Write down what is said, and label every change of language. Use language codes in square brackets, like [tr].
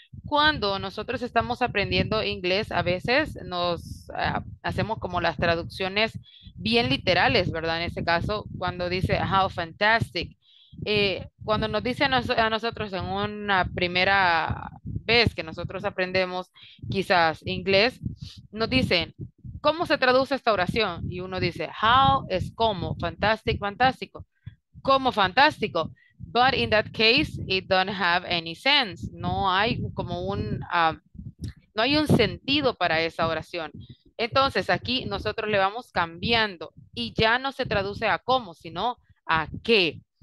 [es] Cuando nosotros estamos aprendiendo inglés, a veces nos hacemos como las traducciones bien literales, ¿verdad? En este caso, cuando dice, [en] how fantastic. [es] Cuando nos dice a nosotros en una primera vez que nosotros aprendemos quizás inglés, nos dicen, ¿cómo se traduce esta oración? Y uno dice, how es como, fantastic, fantástico. Como fantástico, [en] but in that case it don't have any sense. [es] No hay como un no hay un sentido para esa oración. Entonces aquí nosotros le vamos cambiando y ya no se traduce a cómo, sino a qué.